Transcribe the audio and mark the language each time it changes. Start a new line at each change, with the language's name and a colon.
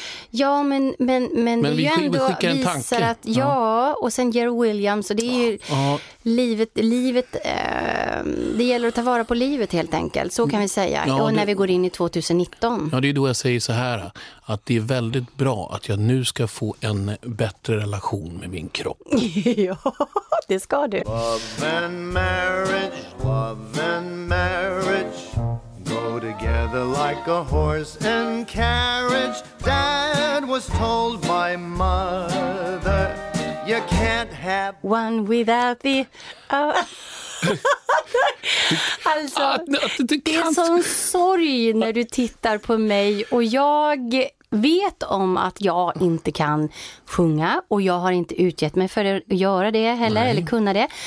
Swedish: Ja, men det är ju ändå visar tanke. Att ja, och sen Jerry Williams, och det är ju livet det gäller att ta vara på livet helt enkelt, så kan vi säga, ja, och när vi går in i 2019. Ja, det är då jag säger så här, att det är väldigt bra att jag nu ska få en bättre relation med min kropp. Ja, det ska du.
English: Love and marriage, love and marriage. Together like a horse and carriage. Dad was told by mother, you can't have one without the
Swedish: alltså, det är sån sorg när du tittar på mig, och jag vet om att jag inte kan sjunga, och jag har inte utgett mig för att göra det heller. Nej. Eller kunna det.